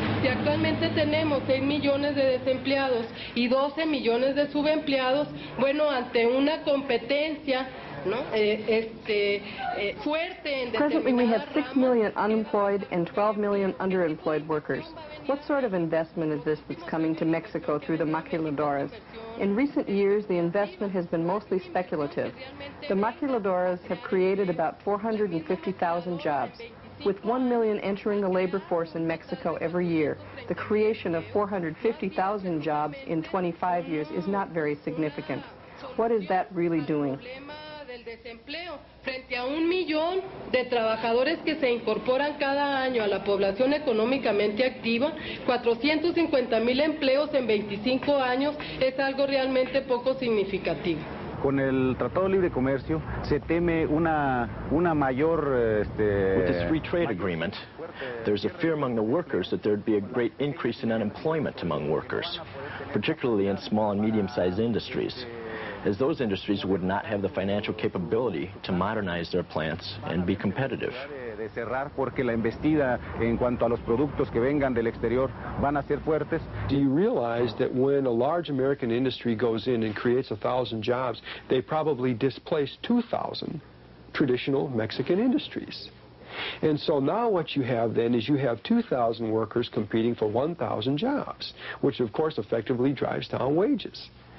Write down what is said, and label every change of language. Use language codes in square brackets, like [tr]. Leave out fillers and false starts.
[es] Actualmente tenemos 6 millones de desempleados y 12 millones de subempleados, bueno, ante una competencia, ¿no? Fuerte en [en] Presently we have 6 million unemployed and 12 million underemployed workers. What sort of investment is this that's coming to Mexico through the maquiladoras? In recent years, the investment has been mostly speculative. The maquiladoras have created about 450,000 jobs. With 1 million entering the labor force in Mexico every year, the creation of 450,000 jobs in 25 years is not very significant. What is that really doing? [es] Frente a 1 million de trabajadores que se incorporan cada año a la población económicamente activa, 450,000 empleos en 25 años es algo realmente poco significativo. Con el Tratado de Libre Comercio se teme una mayor [en] With this free trade agreement, there's a fear among the workers that there'd be a great increase in unemployment among workers, particularly in small and medium-sized industries, as those industries would not have the financial capability to modernize their plants and be competitive. [es] De cerrar porque la embestida en cuanto a los productos que vengan del exterior van a ser fuertes. [en] Do you realize that when a large American industry goes in and creates 1,000 jobs, they probably displace 2,000 traditional Mexican industries? And so now what you have then is you have 2,000 workers competing for 1,000 jobs, which of course effectively drives down wages.